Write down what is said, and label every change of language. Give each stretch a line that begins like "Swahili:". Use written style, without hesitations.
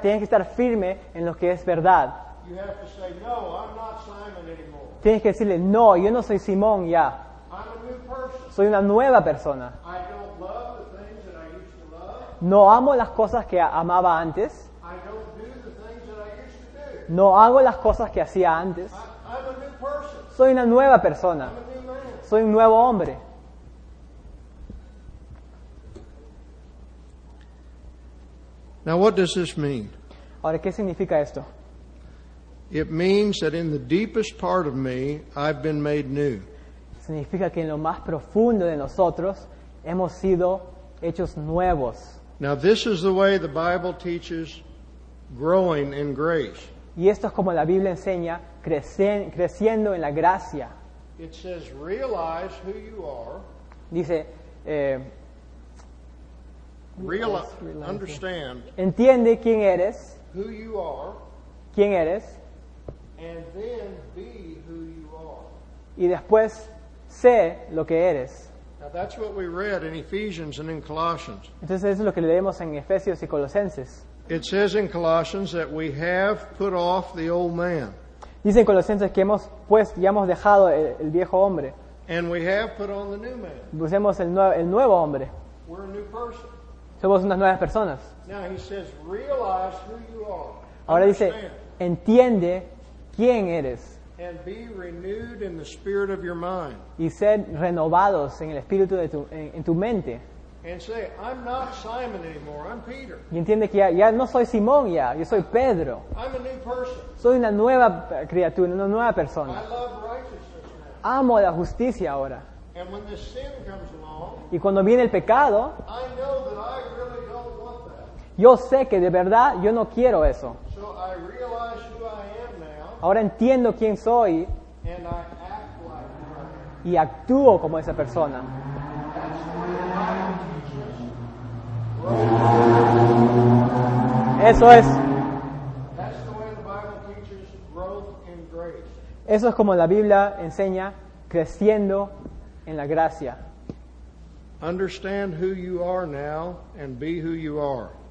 Spanish: tienes que estar firme en lo que es verdad.
English: You have to say, no, I'm not Simon anymore.
Spanish: Tienes que decirle, no, yo no soy Simón ya.
English: I'm a new person.
Spanish: Soy una nueva persona.
English: I don't love the things that I used to love.
Spanish: No amo las cosas que amaba antes.
English: I don't do the things that I used to do.
Spanish: No hago las cosas que hacía antes.
English: I'm a new person.
Spanish: Soy una nueva persona.
English: I'm a new man.
Spanish: Soy un nuevo hombre.
English: Now, what does this mean?
Spanish: Ahora, ¿qué significa esto?
English: It means that in the deepest part of me, I've been made new.
Spanish: Significa que en lo más profundo de nosotros hemos sido hechos nuevos.
English: Now, this is the way the Bible teaches growing in grace.
Spanish: Y esto es como la Biblia enseña creciendo en la gracia.
English: It says, realize who you are.
Spanish: Dice,
English: realize, understand.
Spanish: Entiende quién eres.
English: Who you are.
Spanish: Quién eres.
English: And then be who you are.
Spanish: Y después sé lo que eres.
English: Now that's what we read in Ephesians and in Colossians.
Spanish: Entonces eso es lo que leemos en Efesios y Colosenses.
English: It says in Colossians that we have put off the old man.
Spanish: Dice en Colosenses que ya hemos dejado el viejo hombre.
English: And we have put on the new man.
Spanish: Busemos el nuevo hombre.
English: We're a new person.
Spanish: Somos unas nuevas personas.
English: Now he says, realize who you are.
Spanish: Ahora dice, entiende quién eres.
English: And be renewed in the spirit of your mind.
Spanish: Y ser renovados en el espíritu de tu mente.
English: And say, I'm not Simon anymore, I'm Peter.
Spanish: Y entiende que ya no soy Simón ya, yo soy Pedro.
English: I'm a new person.
Spanish: Soy una nueva criatura, una nueva persona.
English: I love righteousness now.
Spanish: Amo la justicia ahora.
English: And when the sin comes along,
Spanish: y cuando viene el pecado,
English: I know that I really don't want that.
Spanish: Yo sé que de verdad yo no quiero eso.
English: So I realize who I am now,
Spanish: ahora entiendo quién soy,
English: and I act like that.
Spanish: Y actúo como esa persona. Eso es.
English: That's the way the Bible teaches growth in grace.
Spanish: Eso es como la Biblia enseña creciendo en la gracia.
English: Understand who you are now and be who you are.